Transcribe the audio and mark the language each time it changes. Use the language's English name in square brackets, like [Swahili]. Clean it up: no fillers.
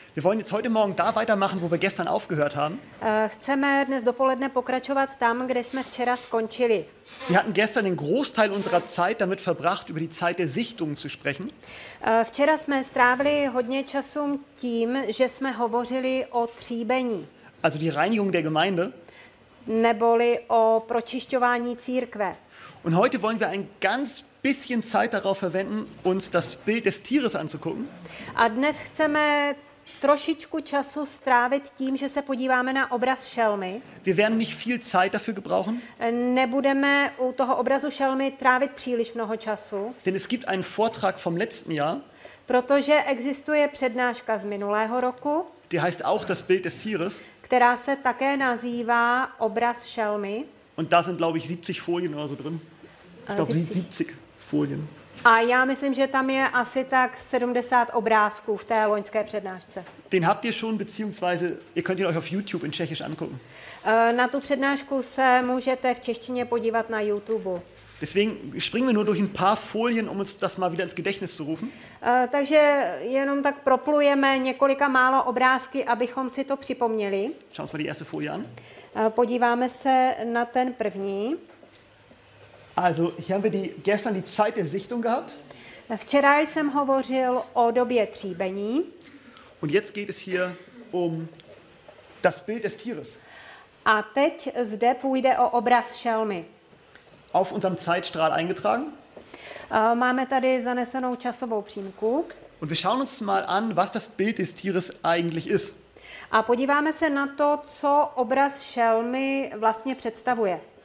[German] Wir wollen jetzt heute Morgen da weitermachen, wo wir gestern aufgehört haben. [Czech] Chceme dnes dopoledne pokračovat tam, kde jsme včera skončili. [German] Wir hatten gestern den Großteil unserer Zeit damit verbracht, über die Zeit der Sichtungen zu sprechen. [Czech] Včera jsme strávili hodně času tím, že jsme hovořili o tříbení. [German] Also die Reinigung der Gemeinde. [Czech] Neboli o pročišťování církve. [German] Und heute wollen wir ein ganz bisschen Zeit darauf verwenden, uns das Bild des Tieres anzugucken. [Czech] A dnes chceme trošičku času strávit tím, že se podíváme na obraz šelmy. [German] Wir werden nicht viel Zeit dafür gebrauchen. [Czech] Nebudeme u toho obrazu šelmy trávit příliš mnoho času. [German] Denn es gibt einen Vortrag vom letzten Jahr. [Czech] Protože existuje přednáška z minulého roku. [German] Die heißt auch das Bild des Tieres. [Czech] Která se také nazývá obraz šelmy. [German] Und da sind glaube ich 70 Folien oder so drin. Ich glaube 70 Folien. [Czech] A já myslím, že tam je asi tak 70 obrázků v té loňské přednášce. [German] Den habt ihr schon, beziehungsweise ihr könnt ihn euch auf YouTube in Tschechisch angucken. [Czech] Na tu přednášku se můžete v češtině podívat na YouTube. [German] Deswegen springen wir nur durch ein paar Folien, um uns das mal wieder ins Gedächtnis zu rufen. [Czech] Takže jenom tak proplujeme několika málo obrázky, abychom si to připomněli. [German] Schauen wir uns mal die erste Folie an. [Czech] Podíváme se na ten první. [German] Also, hier haben wir gestern die Zeit der Sichtung gehabt. [Czech] Včera jsem hovořil o době tříbení. [German] Und jetzt geht es hier um das Bild des Tieres. [Czech] A teď zde půjde o obraz šelmy. [German] Auf unserem Zeitstrahl eingetragen. [Czech] Máme tady zanesenou časovou přímku. [German] Und wir schauen uns mal an, was das Bild des Tieres eigentlich ist. [Czech] A podíváme se na to, co obraz šelmy vlastně představuje.